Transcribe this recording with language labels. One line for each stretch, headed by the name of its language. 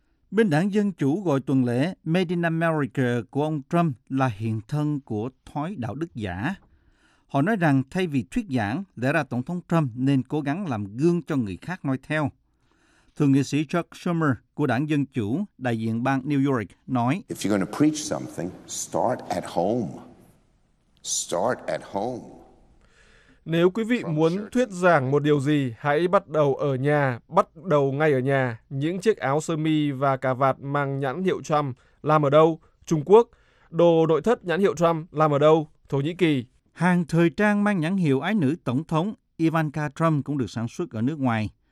Vietnamese: Bên đảng Dân Chủ gọi tuần lễ Made in America của ông Trump là hiện thân của thói đạo đức giả. Họ nói rằng thay vì thuyết giảng, lẽ ra Tổng thống Trump nên cố gắng làm gương cho người khác noi theo. Thượng nghị sĩ Chuck Schumer của đảng Dân Chủ, đại diện bang New York, nói,
English: if you're going to preach something, start at home. Start at home.
Vietnamese: Nếu quý vị muốn thuyết giảng một điều gì, hãy bắt đầu ở nhà, bắt đầu ngay ở nhà. Những chiếc áo sơ mi và cà vạt mang nhãn hiệu Trump làm ở đâu? Trung Quốc. Đồ nội thất nhãn hiệu Trump làm ở đâu? Thổ Nhĩ Kỳ. Hàng thời trang mang nhãn hiệu ái nữ tổng thống Ivanka Trump cũng được sản xuất ở nước ngoài.